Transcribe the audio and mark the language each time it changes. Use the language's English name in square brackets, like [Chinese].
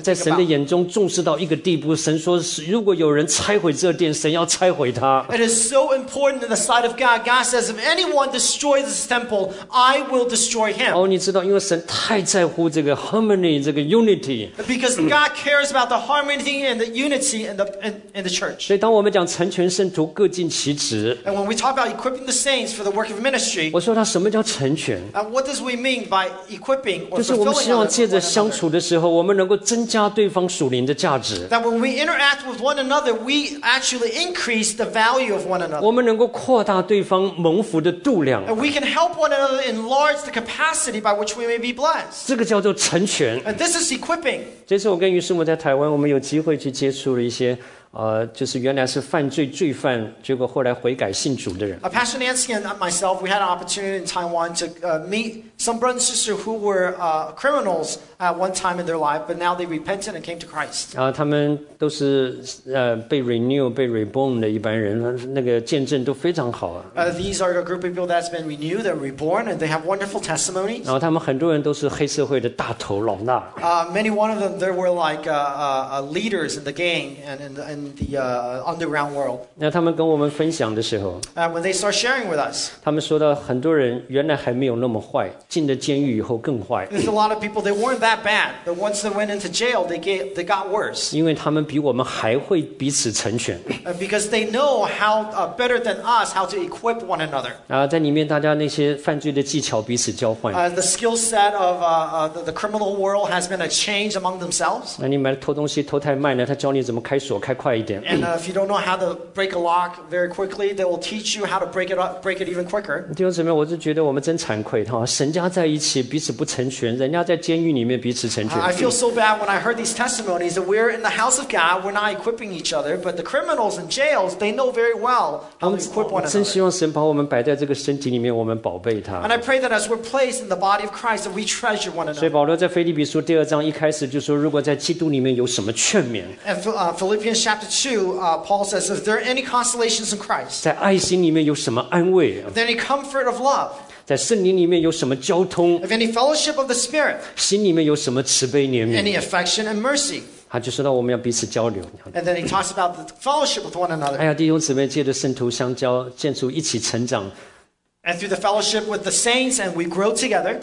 [Chinese] 在神的眼中重视到一个地步，神说如果有人拆毁这殿，神要拆毁它。 [English] It is so important in the sight of God. God says, if anyone destroys this temple, I will destroy him. [Chinese] 哦，你知道，因为神太在乎这个 harmony, 这个 unity. [English] Because God cares about the harmony and the unity in the church. [Chinese] 所以当我们讲成全圣徒，各尽其职。 [English] And when we talk about equipping the saints for the work of ministry, [Chinese] 我说他什么叫成全？ [English] What does we mean by equipping or fulfilling? [Chinese] 就是我们希望借着相处的时候，我们能够增加对方属灵的价值。 [English] That when we interact with one another, we actually increase the value of one another. [Chinese] 我们能够扩大对方蒙福的度量。 [English] And we can help one another enlarge the capacity by which we may be blessed. [Chinese] 这个叫做成全。 [English] And this is equipping. [Chinese] 这次我跟于师母在台湾，我们有机会去接触了一些。就是原来是犯罪罪犯，结果后来悔改信主的人。 [English] Pastor Nancy and myself, we had an opportunity in Taiwan to meet some brothers and sisters who were criminals at one time in their life, but now they repented and came to Christ. [Chinese] 他们都是被 renew, 被 reborn 的一般人，那个见证都非常好啊。 [English] These are a group of people that's been renewed, they're reborn, and they have wonderful testimonies. [Chinese] 然后他们很多人都是黑社会的大头老大。 [English] Many one of them, they were like leaders in the gang and in the underground world. [Chinese] 那他们跟我们分享的时候 [English] when they start sharing with us, [Chinese] 他们说到很多人原来还没有那么坏，进了监狱以后更坏。 [English] There's a lot of people, they weren't that bad, but once they went into jail, they got worse. [Chinese] 因为他们比我们还会彼此成全。 [English] Because they know how better than us how to equip one another. [Chinese] 在里面大家那些犯罪的技巧彼此交换。 [English] The skill set of the criminal world has been a change among themselves. [Chinese] 那你买偷东西偷太慢了，他教你怎么开锁开快一点。 [English] And if you don't know how to break a lock very quickly, they will teach you how to break it even quicker. [Chinese] 弟兄姊妹，我就觉得我们真惭愧哈。神家在一起彼此不成全，人家在监狱里面彼此成全。 [English] I feel so bad when I heard these testimonies that we're in the house of God, we're not equipping each other, but the criminals in jails, they know very well how to equip one another. [Chinese] 真希望神把我们摆在这个身体里面，我们宝贝他。 [English] And I pray that as we're placed in the body of Christ, that we treasure one another. [Chinese] 所以保罗在腓立比书第二章一开始就说，如果在基督里面有什么劝勉。 [English] And Philippians chapter 2, Paul says, if there are any consolations in Christ, [Chinese] 在爱心里面有什么安慰。 [English] Then any comfort of love. [Chinese] 在圣灵里面有什么交通 [English] ？Of any fellowship of the Spirit， [Chinese] 心里面有什么慈悲怜悯 [English] ？Any affection and mercy， [Chinese] 他就说到我们要彼此交流。 [English] And then he talks about the fellowship with one another。 [Chinese] 哎呀，弟兄姊妹，借着圣徒相交，建筑一起成长。 [English] And through the fellowship with the saints, and we grow together.